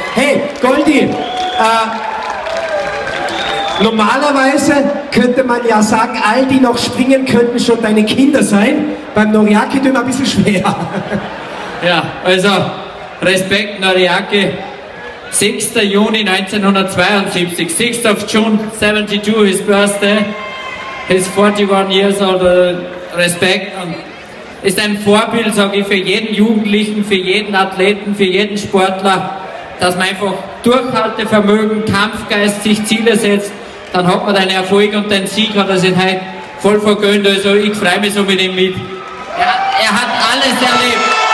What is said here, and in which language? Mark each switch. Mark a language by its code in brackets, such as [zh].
[de] Hey, Goldie, normalerweise könnte man ja sagen, all die noch springen könnten schon deine Kinder sein. Beim Noriaki tun wir ein bisschen schwer. Ja, also Respekt Noriaki. 6. Juni 1972, [en] 6th of June 72, his birthday. He's 41 years old, Respekt. [de] Ist ein Vorbild, sage ich, für jeden Jugendlichen, für jeden Athleten, für jeden Sportler, dass man einfach Durchhaltevermögen, Kampfgeist, sich Ziele setzt, dann hat man deinen Erfolg und deinen Sieg, hat er sich heute voll vergönnt, also ich freue mich so mit ihm mit. Er hat alles erlebt.